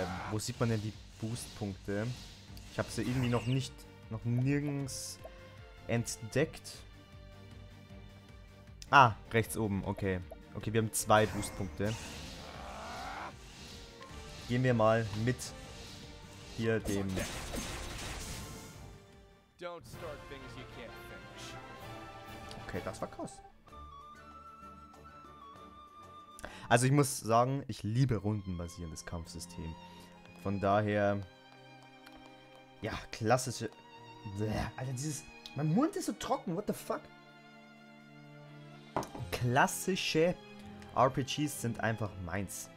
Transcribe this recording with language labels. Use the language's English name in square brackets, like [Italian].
[German] Wo sieht man denn die Boost-Punkte? Ich habe sie irgendwie noch nirgends entdeckt. Ah, rechts oben, okay. Okay, wir haben 2 Boost-Punkte. Gehen wir mal mit hier dem... [English] Don't start things you can't finish. [German] Okay, das war krass. Also ich muss sagen, ich liebe rundenbasierendes Kampfsystem. Von daher, ja, klassische. Bleh, Alter, dieses. Mein Mund ist so trocken. [English] What the fuck? [German] Klassische RPGs sind einfach meins.